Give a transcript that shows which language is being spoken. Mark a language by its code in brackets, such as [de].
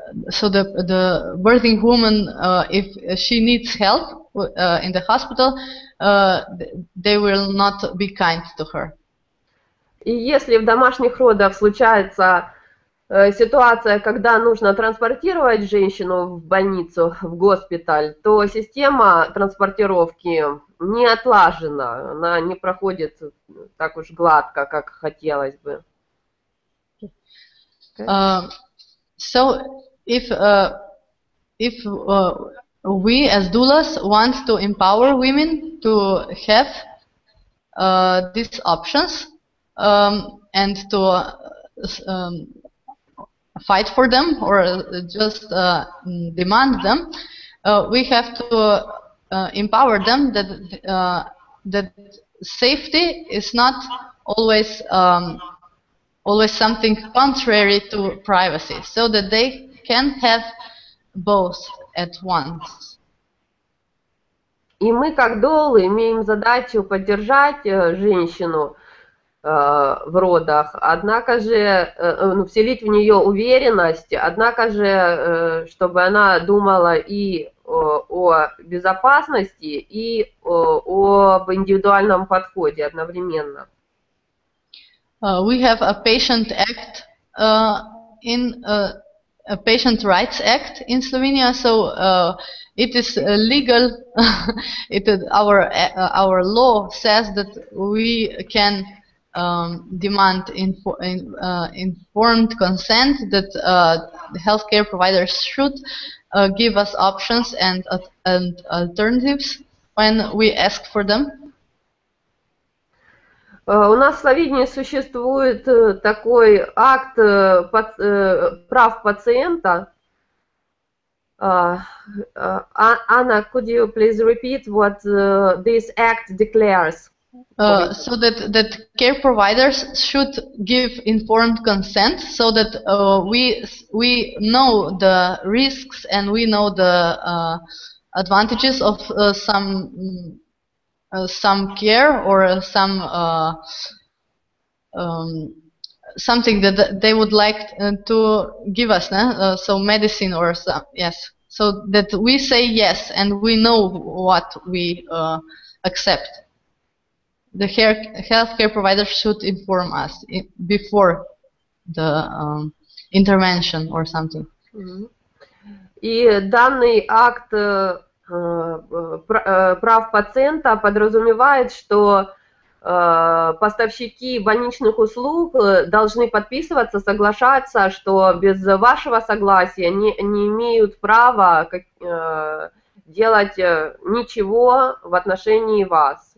[en] So the birthing woman, if she needs help in the hospital, they will not be kind to her. [ru] И если в домашних родах случается ситуация, когда нужно транспортировать женщину в больницу, в госпиталь, то система транспортировки не отлажена, она не проходит так уж гладко, как хотелось бы. [en] So if we as doulas want to empower women to have these options and to fight for them or just demand them, we have to empower them that safety is not always always something contrary to privacy, so that they can have both at once. [ru] И мы как доулы имеем задачу поддержать женщину в родах, однако же, ну, вселить в нее уверенность, однако же, чтобы она думала и о безопасности, и об индивидуальном подходе одновременно. [en] We have a patient act in a patient rights act in Slovenia, so it is legal. our law says that we can demand informed consent, that the healthcare providers should give us options and alternatives when we ask for them. [ru] У нас в Словении существует такой акт прав пациента. [en] Anna, could you please repeat what this act declares? So that care providers should give informed consent, so that we know the risks and we know the advantages of some care or some something that they would like to give us, so medicine or some, yes, so that we say yes and we know what we accept. The healthcare provider should inform us before the intervention or something. [ru] И данный акт прав пациента подразумевает, что поставщики больничных услуг должны подписываться, соглашаться, что без вашего согласия не имеют права делать ничего в отношении вас.